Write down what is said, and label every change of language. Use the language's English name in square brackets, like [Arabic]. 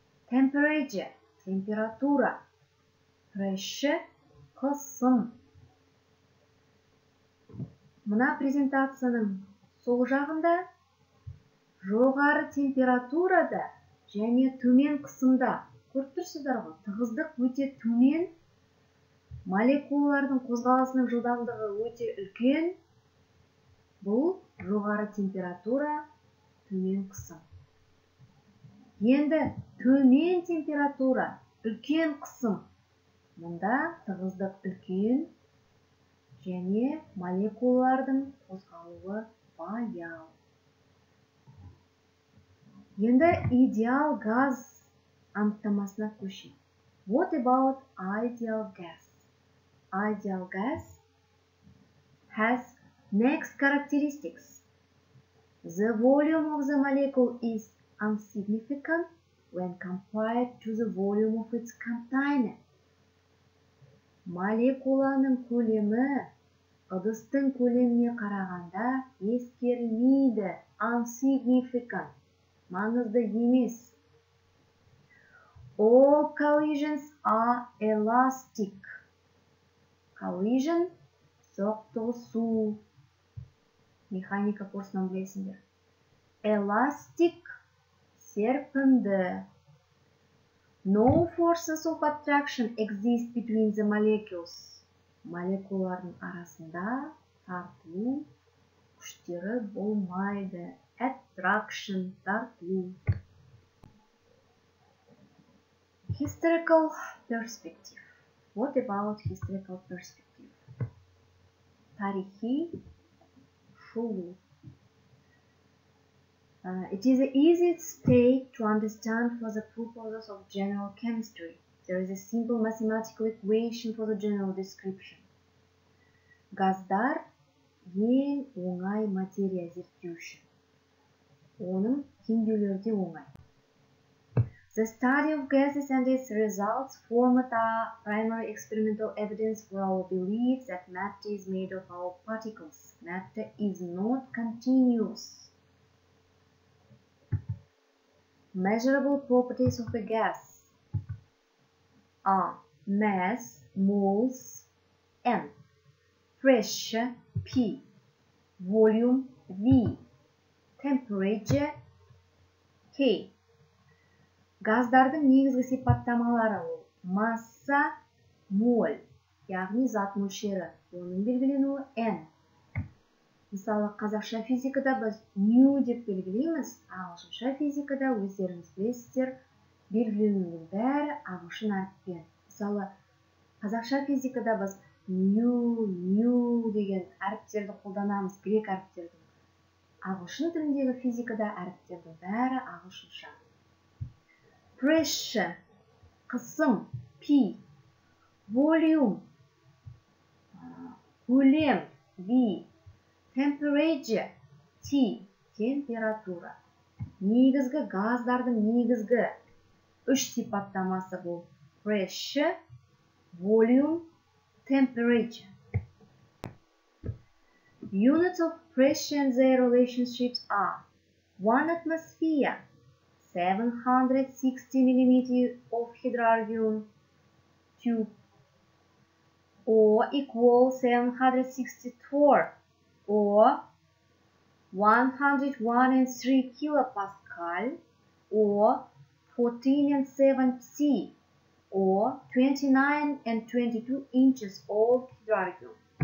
[English] Temperature – температура. Pressure – қысым. [Kazakh] Мына презентацияның сол жағында жоғары температурада және төмен қысымда. Көріп тұрсыздар ғой, тығыздық өте төмен, молекулалардың қозғалысының жылдамдығы өте үлкен. Бұл жоғары температура, төмен қысым. Енді төмен температура, үлкен қысым. Мұнда тығыздық үлкен және молекулалардың қозғалуы баяу. Енді идеал газ анықтамасына көшейін. [English] What about ideal gas? Ideal gas has next characteristics. The volume of the molecule is insignificant when compared to the volume of its container. [Kazakh] Молекуланың көлемі ыдыстың көлеміне қарағанда ескерілмейді. Insignificant. Маңызды емес. [English] All collisions are elastic. [Kazakh] Collision – соқтығысу. Механика курсынан білесіңдер. Elastic – серпінді. [English] No forces of attraction exist between the molecules. [Kazakh] Молекулалардың арасында тартылу күштері болмайды. Attraction – тартылу. [English] Historical perspective. What about historical perspective? [Kazakh] Тарихи шулу. [English] It is the easiest state to understand for the purposes of general chemistry. There is a simple mathematical equation for the general description. [Kazakh] Газдар ең оңай материя зерттеу үшін. Оның теңдеулері де оңай. [English] The study of gases and its results formed the primary experimental evidence for our belief that matter is made of our particles. Matter is not continuous. Measurable properties of a gas are mass, moles, m, pressure, p, volume, v, temperature, k. [Kazakh] Газдардың негізгі сипаттамалары ол масса, моль, яғни зат мөлшері, оның белгіленуі n. Мысалы, қазақша физикада біз ню деп белгілейміз, ағылшынша физикада өздеріңіз білесіздер, белгіленудің бәрі ағылшын әріппен. Мысалы, қазақша физикада біз ню, ню деген әріптерді қолданамыз, грек әріптерді. Ағылшын тіліндегі физикада әріптердің бәрі ағылшынша. Pressure, қысым, P. Volume, көлем, V. Temperature, T. Температура. Негізгі газдардың негізгі үш сипаттамасы бұл. [English] Pressure, volume, temperature. Units of pressure and their relationships are 1 atmosphere, 760 millimeters of hydrargon tube, or equal 764, or 101.3 kilopascal, or 14.7 C, or 29.22 inches of hydrargon.